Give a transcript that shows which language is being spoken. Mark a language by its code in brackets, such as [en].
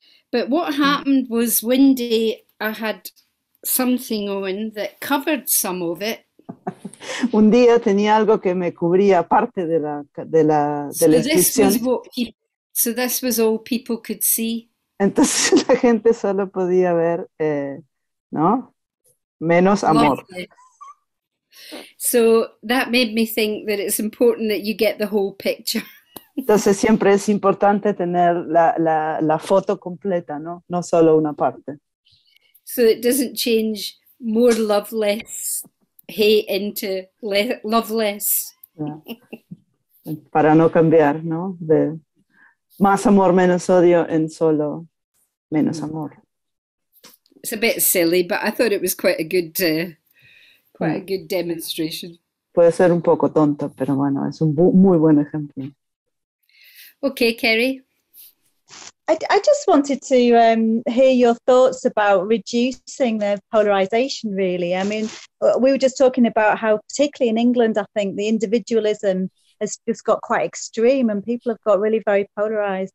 [en] But what happened was one day I had something on that covered some of it. [es] Un día tenía algo que me cubría parte de la inscripción. [en] So this was all people could see. [es] Entonces la gente solo podía ver, ¿no? Menos amor. [en] So that made me think that it's important that you get the whole picture. [es] Entonces siempre es importante tener la foto completa, ¿no? No solo una parte. [en] So it doesn't change more love less hate into love less. [es] Para no cambiar, ¿no? De más amor, menos odio en solo menos amor. [en] It's a bit silly, but I thought it was quite a good a good demonstration. [es] Puede ser un poco tonto, pero bueno, es un muy buen ejemplo. [en] Okay, Kerry. I just wanted to hear your thoughts about reducing the polarization, really. I mean, we were just talking about how, particularly in England, I think the individualism has just got quite extreme and people have got really very polarized.